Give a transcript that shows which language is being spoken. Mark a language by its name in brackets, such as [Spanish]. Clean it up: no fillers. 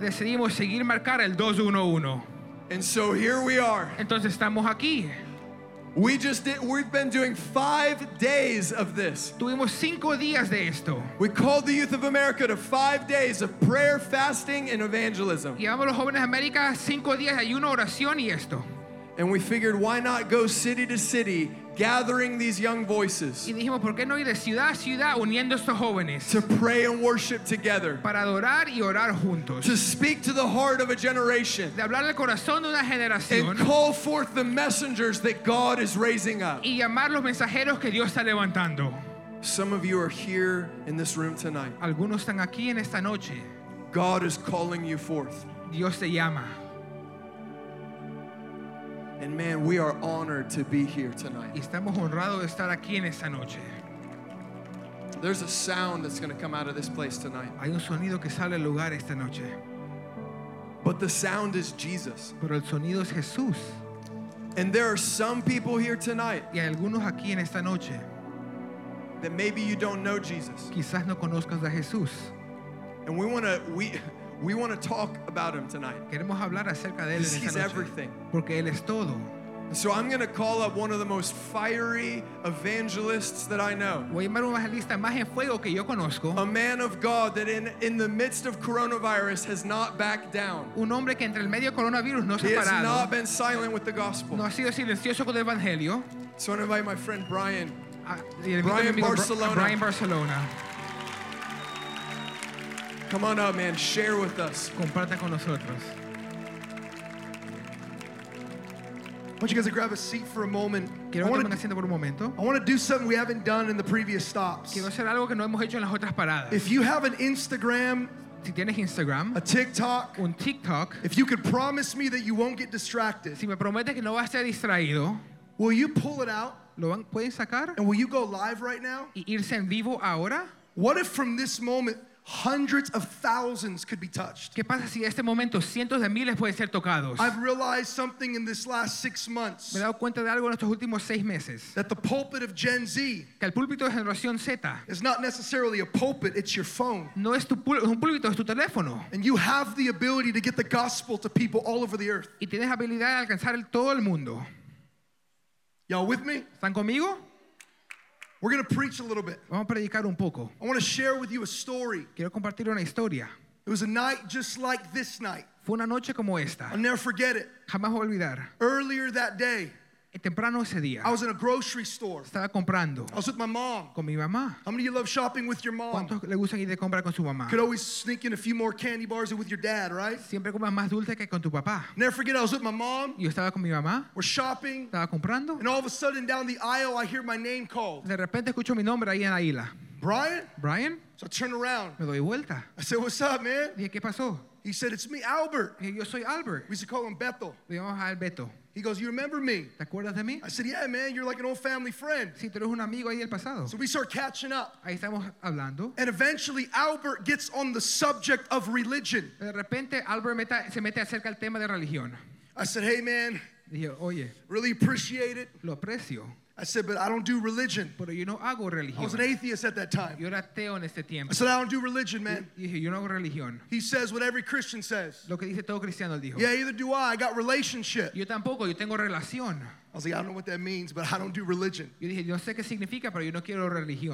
[Spanish] Decidimos seguir marcar el 211. [English] And so here we are. [Spanish] Entonces estamos aquí. [English] We've been doing 5 days of this. [Spanish] Tuvimos 5 días de esto. [English] We called the youth of America to 5 days of prayer, fasting, and evangelism. [Spanish] Llevamos a los jóvenes de América 5 días de ayuno, oración y esto. [English] And we figured, why not go city to city, gathering these young voices? [Spanish] Y dijimos, ¿por qué no ir de ciudad a ciudad uniendo estos jóvenes? [English] To pray and worship together. [Spanish] Para adorar y orar juntos. [English] To speak to the heart of a generation. [Spanish] De hablar al corazón de una generación. [English] And call forth the messengers that God is raising up. [Spanish] Y llamar los mensajeros que Dios está levantando. [English] Some of you are here in this room tonight. [Spanish] Algunos están aquí en esta noche. [English] God is calling you forth. [Spanish] Dios te llama. [English] And man, we are honored to be here tonight. [Spanish] Estamos honrados de estar aquí en esta noche. [English] There's a sound that's going to come out of this place tonight. [Spanish] Hay un sonido que sale del lugar esta noche. [English] But the sound is Jesus. [Spanish] Pero el sonido es Jesús. [English] And there are some people here tonight. [Spanish] Y hay algunos aquí en esta noche. [English] That maybe you don't know Jesus. [Spanish] Quizás no conozcas a Jesús. [English] And we want to talk about him tonight. [Spanish] Queremos hablar acerca de él en esta noche. [English] He's everything. [Spanish] Porque él es todo. [English] So I'm going to call up one of the most fiery evangelists that I know. [Spanish] Voy a llamar un evangelista más en fuego que yo conozco. [English] A man of God that in the midst of coronavirus has not backed down. [Spanish] Un hombre que entre el medio coronavirus no se ha parado. [English] He has not been silent with the gospel. [Spanish] No ha sido silencioso con el evangelio. [English] So I want to invite my friend Brian. [Spanish] Brian Barcelona. [English] Come on up, man. Share with us. [Spanish] Comparta con nosotros. [English] I want you guys to grab a seat for a moment. I want to do something we haven't done in the previous stops. [Spanish] Quiero hacer algo que no hemos hecho en las otras paradas. [English] If you have an Instagram, [Spanish] si tienes Instagram, [English] a TikTok, [Spanish] un TikTok, [English] if you could promise me that you won't get distracted, [Spanish] si me prometes que no vas a ser distraído, [English] will you pull it out? [Spanish] Lo van, pueden sacar? [English] And will you go live right now? [Spanish] Y irse en vivo ahora? [English] What if from this moment hundreds of thousands could be touched? [Spanish] ¿Qué pasa si en este momento cientos de miles pueden ser tocados? [English] I've realized something in this last 6 months. [Spanish] Me he dado cuenta de algo en estos últimos 6 meses. [English] That the pulpit of Gen Z, [Spanish] que el púlpito de generación Z, [English] is not necessarily a pulpit, it's your phone. [Spanish] No es tu púlpito, es tu teléfono. [English] And you have the ability to get the gospel to people all over the earth. [Spanish] Y tienes habilidad de alcanzar todo el mundo. [English] Y'all with me? [Spanish] ¿Están conmigo? [English] We're going to preach a little bit. [Spanish] Vamos a predicar un poco. [English] I want to share with you a story. [Spanish] Quiero compartir una historia. [English] It was a night just like this night. [Spanish] Fue una noche como esta. [English] I'll never forget it. [Spanish] Jamás voy a olvidar. [English] Earlier that day, [Spanish] temprano ese día, [English] I was in a grocery store. [Spanish] Estaba comprando. [English] I was with my mom. [Spanish] Con mi mamá. [English] How many of you love shopping with your mom? [Spanish] ¿Cuántos le gustan ir de compra con su mamá? [English] Could always sneak in a few more candy bars with your dad, right? [Spanish] Siempre compras más dulce que con tu papá. [English] Never forget, I was with my mom. [Spanish] Yo estaba con mi mamá. [English] We're shopping. [Spanish] Estaba comprando. [English] And all of a sudden, down the aisle, I hear my name called. [Spanish] De repente escucho mi nombre ahí en la isla. [English] Brian. So I turn around. [Spanish] Me doy vuelta. [English] I said, "What's up, man?" [Spanish] Dije, ¿qué pasó? [English] He said, "It's me, Albert." [Spanish] Dije, yo soy Albert. [English] We used to call him Beto. [Spanish] Le llamamos a él Beto. [English] He goes, "You remember me?" [Spanish] ¿Te acuerdas de mí? [English] I said, "Yeah, man, you're like an old family friend." [Spanish] Sí, tú eres un amigo ahí del pasado. [English] So we start catching up. [Spanish] Ahí estamos hablando. [English] And eventually, Albert gets on the subject of religion. [Spanish] De repente, Albert se mete acerca del tema de religión. [English] I said, "Hey, man." [Spanish] Dije, oye. [English] Really appreciate it. [Spanish] Lo aprecio. [English] I said, "But I don't do religion." [Spanish] Pero yo no hago religión. [English] I was an atheist at that time. [Spanish] Yo era ateo en ese tiempo. [English] I said, "I don't do religion, man." [Spanish] Dije, yo no hago religión. [English] He says what every Christian says. [Spanish] Lo que dice todo cristiano, él dijo. [English] "Yeah, either do I. I got relationship." [Spanish] Yo tampoco, yo tengo relación. [English] I was like, "I don't know what that means, but I don't do religion." [Spanish] Yo dije, yo sé qué significa, pero yo no quiero religión.